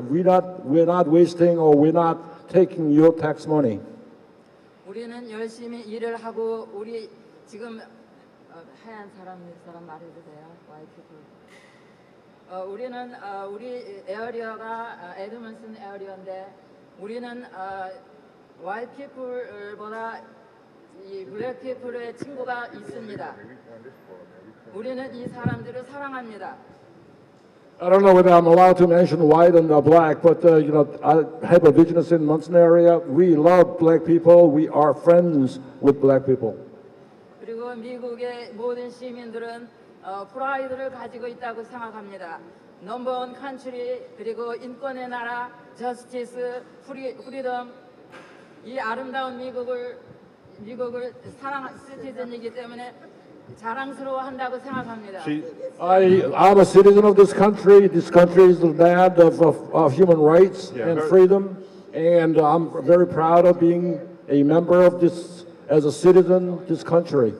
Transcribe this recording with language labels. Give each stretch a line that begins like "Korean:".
English: We're not wasting or taking your tax money.
Korean: 우리는 열심히 일을 하고 우리 지금 하얀 사람 말해도 돼요?
English: White people.
Korean: 우리는 우리 에어리어가 에드먼슨 에어리어인데 우리는 white people보다 이 black people의 친구가 있습니다. 우리는 이 사람들을 사랑합니다.
English: I don't know whether I'm allowed to mention white and black, but you know, I have a business in Munson area. We love black people. We are friends with black people.
Korean: 그리고 미국의 모든 시민들은 프라이드를 가지고 있다고 생각합니다.
English: Number one country,
Korean: 그리고 인권의 나라, justice, freedom. 이 아름다운 미국을 사랑 시티즌이기 때문에. 자랑스러워한다고 생각합니다.
English: I'm a citizen of this country. This country is the land of human rights and freedom, and I'm very proud of being a member of this as a citizen this country.